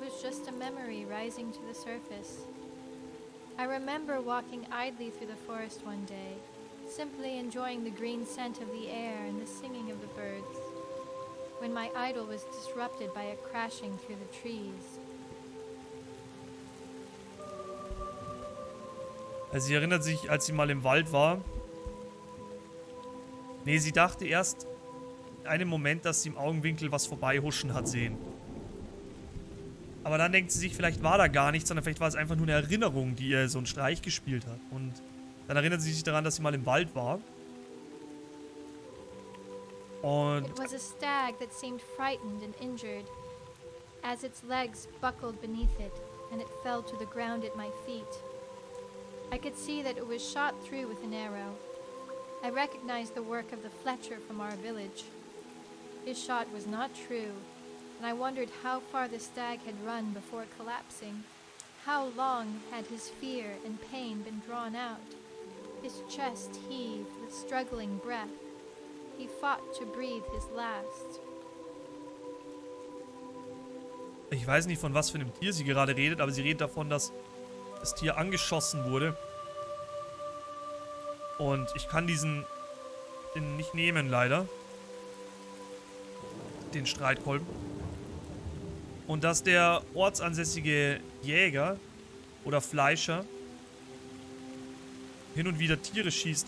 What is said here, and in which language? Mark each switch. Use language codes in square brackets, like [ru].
[en] was just a memory rising to the surface. I remember walking idly through the forest one day, simply enjoying the green scent of the air and the singing of the birds, when my idol was disrupted by a crashing through the trees. [de] Also sie erinnert sich, als sie mal im Wald war. Nee, sie dachte erst einen Moment, dass sie im Augenwinkel was vorbeihuschen hat sehen. Aber dann denkt sie sich, vielleicht war da gar nichts, sondern vielleicht war es einfach nur eine Erinnerung, die ihr so einen Streich gespielt hat. Und dann erinnert sie sich daran, dass sie mal im Wald war. Und [en] it was a stag that seemed frightened and injured, as its legs buckled beneath it and it fell to the ground at my feet. I could see that it was shot through with an arrow. I recognized the work of the Fletcher from our village. His shot was not true, and I wondered how far the stag had run before collapsing. How long had his fear and pain been drawn out? His chest heaved with struggling breath. He fought to breathe his last. [de] Ich weiß nicht, von was für einem Tier sie gerade redet, aber sie redet davon, dass das Tier angeschossen wurde. Und ich kann den nicht nehmen, leider. Den Streitkolben. Und dass der ortsansässige Jäger oder Fleischer hin und wieder Tiere schießt.